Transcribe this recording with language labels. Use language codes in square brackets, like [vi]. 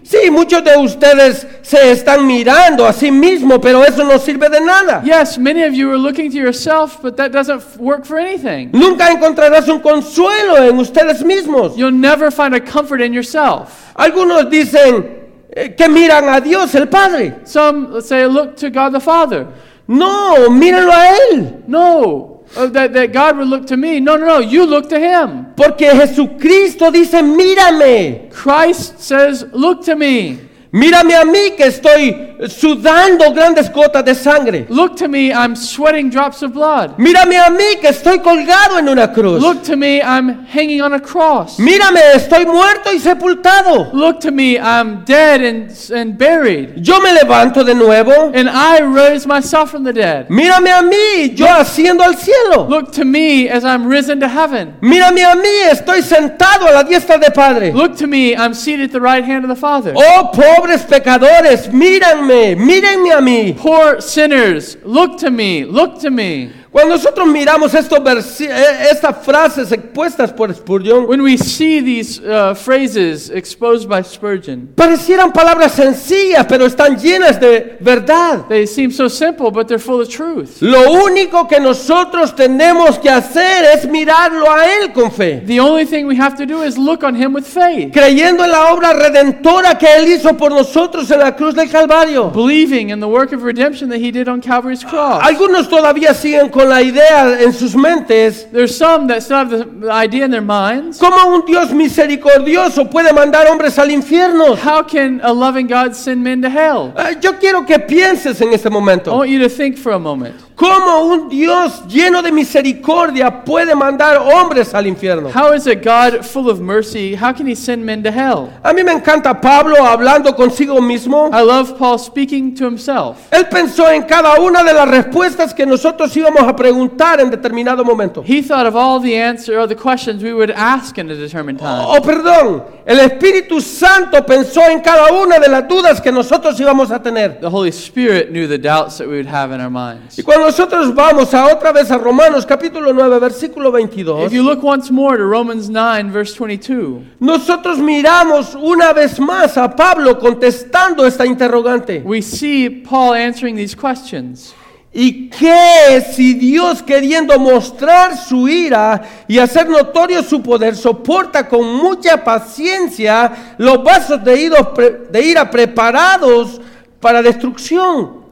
[es] Sí, muchos de ustedes se están mirando a sí mismo, pero eso no sirve de nada. [en] Yes, many of you are looking to yourself, but that doesn't work for anything. [es] Nunca encontrarás un consuelo en ustedes mismos. [en] You'll never find a comfort in yourself. [es] Algunos dicen que miran a Dios el Padre. [en] Some say, look to God the Father. [es] No, mírenlo a Él. [en] No, that God would look to me. No, you look to Him. [es] Porque Jesucristo dice, mírame. [en] Christ says, look to me. [es] Mírame a mí que estoy sudando grandes gotas de sangre. [en] Look to me, I'm sweating drops of blood. [es] Mírame a mí que estoy colgado en una cruz. [en] Look to me, I'm hanging on a cross. [es] Mírame, estoy muerto y sepultado. [en] Look to me, I'm dead and buried. [es] Yo me levanto de nuevo. [en] And I rise myself from the dead. [es] Mírame a mí, yo asciendo al cielo. [en] Look to me as I'm risen to heaven. [es] Mírame a mí, estoy sentado a la diestra del Padre. [en] Look to me, I'm seated at the right hand of the Father. [es] Oh, pobres pecadores, mírenme, mírenme a mí. [en] Poor sinners, look to me, look to me. [es] Cuando nosotros miramos estas frases expuestas por Spurgeon, [en] when we see these phrases exposed by Spurgeon, [es] parecieran palabras sencillas, pero están llenas de verdad. [en] They seem so simple, but they're full of truth. [es] Lo único que nosotros tenemos que hacer es mirarlo a Él con fe. [en] The only thing we have to do is look on Him with faith. [es] Creyendo en la obra redentora que Él hizo por nosotros en la cruz del Calvario. [en] Believing in the work of redemption that He did on Calvary's cross. [es] Algunos todavía siguen con la idea en sus mentes. [en] There's some that still have the idea in their minds. [es] ¿Cómo un Dios misericordioso puede mandar hombres al infierno? [en] How can a loving God send men to hell? [es] Yo quiero que pienses en este momento. [en] I want you to think for a moment. [es] ¿Cómo un Dios lleno de misericordia puede mandar hombres al infierno? [en] How is a God full of mercy? How can He send men to hell? [es] A mí me encanta Pablo hablando consigo mismo. [en] I love Paul speaking to himself. [es] Él pensó en cada una de las respuestas que nosotros íbamos a preguntar en determinado momento. [en] He thought of all the answers or the questions we would ask in a determined time. [es] Oh, perdón. El Espíritu Santo pensó en cada una de las dudas que nosotros íbamos a tener. [en] The Holy Spirit knew the doubts that we would have in our minds. [es] Y cuando nosotros vamos a otra vez a Romanos capítulo 9 versículo 22. [en] If you look once more to Romans 9 verse 22. [es] Nosotros miramos una vez más a Pablo contestando esta interrogante. [en] We see Paul answering these questions. [es] ¿Y qué si Dios, queriendo mostrar su ira y hacer notorio su poder, soporta con mucha paciencia los vasos de ira preparados para destrucción?